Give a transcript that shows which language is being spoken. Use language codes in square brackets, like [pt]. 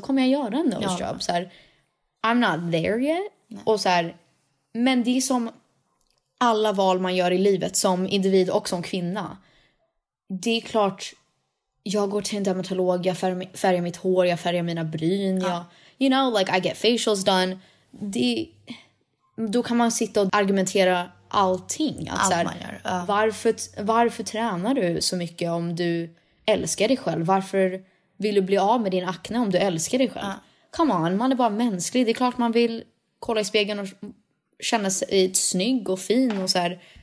[sv] Då kommer jag göra en nose job. Så här, [en] I'm not there yet. [sv] Nej. Och så här, men det är som alla val man gör i livet, som individ och som kvinna. Det är klart jag går till en dermatolog, jag färgar mitt hår, jag färgar mina bryn. Ja. [en] Jag, you know, like I get facials done. [sv] Det, då kan man sitta och argumentera allting. Att allt så här, man gör. Varför tränar du så mycket om du älskar dig själv? Varför vill du bli av med din akne om du älskar dig själv? Come on, man är bara mänsklig. Det är klart man vill kolla i spegeln och känna sig snygg och fin och så här.